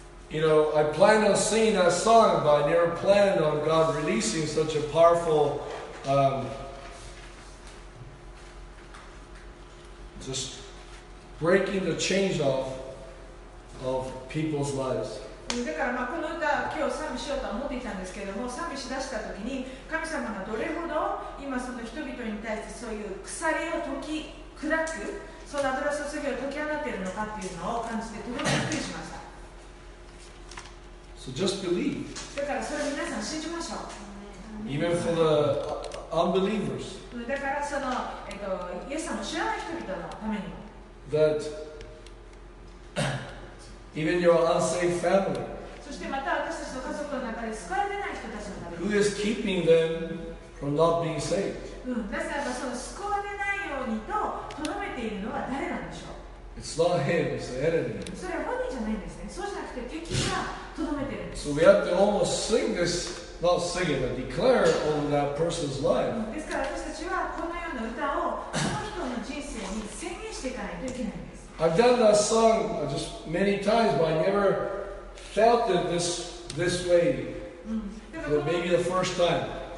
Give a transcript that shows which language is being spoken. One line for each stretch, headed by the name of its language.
English: You know, I planned on singing that song, but I never planned on God releasing such a powerful just breaking the chains off of people's lives.
Japanese: だからまあこの歌今日賛美しようと思っていたんですけれども、賛美しだした時に神様がどれほど今その人々に対してそういう鎖を解き砕く、その油注ぎを解き放っているのかっていうのを感じてとてもびっくりしました。
English: So just believe.
Japanese: だからそれを皆さん信じましょう。
English: Even for the unbelievers.
Japanese: だからそのイエス様を知らない人々のためにも、
English: ThatEven your unsaved family.
Japanese: そしてまた私たちの家族の中で救われてない人たちのために。
English: Who is keeping them from not being saved?
Japanese: なぜならばその救われないようにと留めているのは誰なんでしょう。
English: It's not him, it's the enemy.
Japanese: それは本人じゃないんですね。そうじゃなくて敵が留めているんです。
English: So we have to almost sing this, not sing it, but declare it on that person's life.
Japanese: ですから私たちはこのような歌をその人の人生に宣言していかないといけないんです。
English: I've done that song just many times, but I never felt it this way. But maybe the first time.